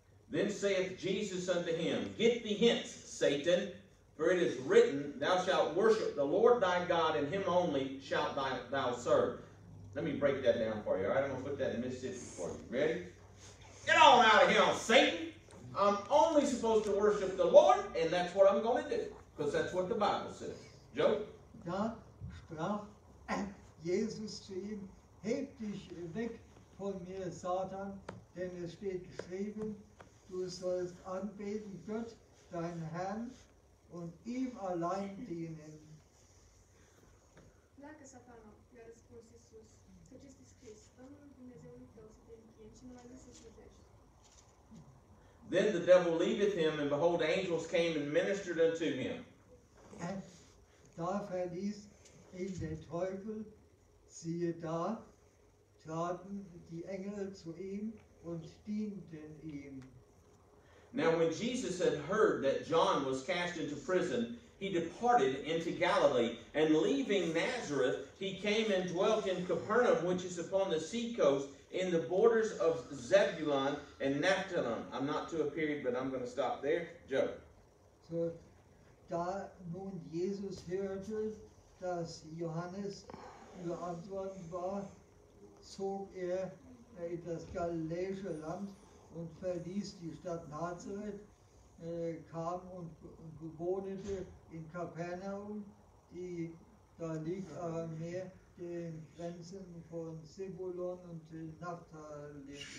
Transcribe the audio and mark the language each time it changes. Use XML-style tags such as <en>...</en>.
<en>Then saith Jesus unto him, get thee hence, Satan, for it is written, thou shalt worship the Lord thy God, and him only shalt thou serve. Let me break that down for you, all right? I'm going to put that in Mississippi for you. Ready? Get on out of here, Satan. I'm only supposed to worship the Lord, and that's what I'm going to do, because that's what the Bible says. Joe?</en> <de>Da sprach Jesus zu ihm, heb dich weg von mir, Satan, denn es steht geschrieben, du sollst anbeten Gott, dein Herrn, und ihm allein dienen.</de> <ro>Pleacă, Satana, i-a răspuns Iisus, căci este scris, Domnul Dumnezeu tău să te închini și numai Lui să slujești.</ro> <en>Then the devil leaveth him, and behold, angels came and ministered unto him.</en> <de>Da verließ ihn der Teufel, siehe da, traten die Engel zu ihm und dienten ihm.</de> <en>Now when Jesus had heard that John was cast into prison, he departed into Galilee, and leaving Nazareth, he came and dwelt in Capernaum, which is upon the sea coast, in the borders of Zebulun and Naphtali. I'm not to a period, but I'm going to stop there. Joe.</en> <de>So, da nun Jesus hörte, dass Johannes überantworten war, zog in das galiläische Land, und verließ die Stadt Nazareth, kam und bewohnte in Kapernaum, die da liegt am Meer, den Grenzen von Zebulun und Naphtali.</de>